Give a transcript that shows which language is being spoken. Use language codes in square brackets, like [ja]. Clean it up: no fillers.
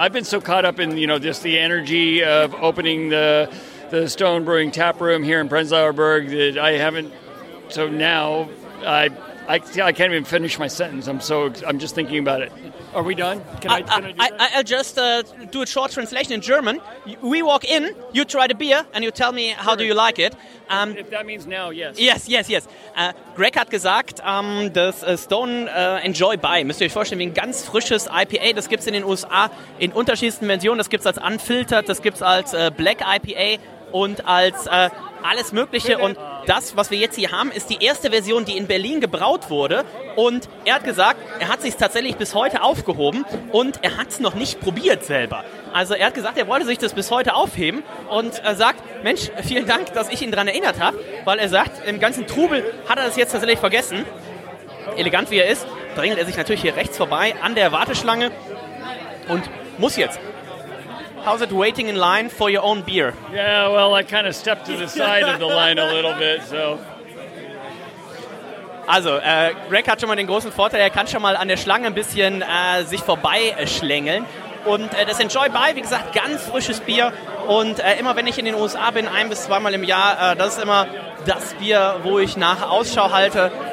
[en] I've been so caught up in, you know, just the energy of opening the Stone Brewing Tap Room here in Prenzlauer Berg that I haven't. So now I can't even finish my sentence. I'm just thinking about it. Are we done? I'll just do a short translation in German. We walk in, you try the beer, and you tell me how do you like it. If that means now, yes. Yes, yes, yes. [de] Greg hat gesagt, das Stone Enjoy By, müsst ihr euch vorstellen, wie ein ganz frisches IPA. Das gibt's in den USA in unterschiedlichsten Versionen. Das gibt's als unfiltered, das gibt's als Black IPA und als alles Mögliche. Und das, was wir jetzt hier haben, ist die erste Version, die in Berlin gebraut wurde. Und er hat gesagt, er hat sich tatsächlich bis heute aufgehoben und er hat es noch nicht probiert selber. Also er hat gesagt, er wollte sich das bis heute aufheben und sagt, Mensch, vielen Dank, dass ich ihn daran erinnert habe, weil er sagt, im ganzen Trubel hat er das jetzt tatsächlich vergessen. Elegant wie er ist, drängelt er sich natürlich hier rechts vorbei an der Warteschlange und muss jetzt. [en] How's it waiting in line for your own beer? Yeah, well, I kind of stepped to the side of the line a little bit, so. [de] Also, Greg hat schon mal den großen Vorteil, er kann schon mal an der Schlange ein bisschen sich vorbeischlängeln. Und das Enjoy By, wie gesagt, ganz frisches Bier. Und immer wenn ich in den USA bin, ein bis zweimal im Jahr, das ist immer das Bier, wo ich nach Ausschau halte.